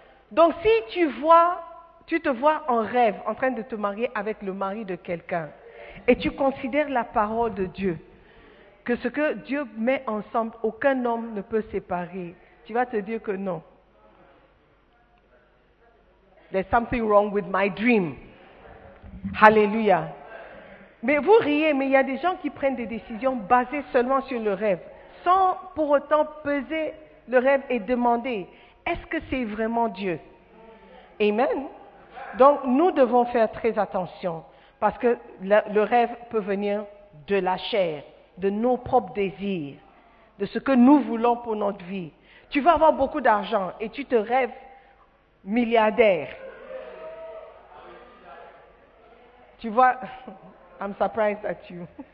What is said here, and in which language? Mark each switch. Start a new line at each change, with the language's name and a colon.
French: Donc, si tu te vois en rêve, en train de te marier avec le mari de quelqu'un, et tu considères la parole de Dieu, que ce que Dieu met ensemble, aucun homme ne peut séparer. Tu vas te dire que non.
English: There's something wrong with my dream. Hallelujah.
French: Mais vous riez, mais il y a des gens qui prennent des décisions basées seulement sur le rêve, sans pour autant peser le rêve et demander, est-ce que c'est vraiment Dieu? Amen. Donc, nous devons faire très attention. Parce que le rêve peut venir de la chair, de nos propres désirs, de ce que nous voulons pour notre vie. Tu veux avoir beaucoup d'argent et tu te rêves milliardaire. Tu vois,
English: I'm surprised at you.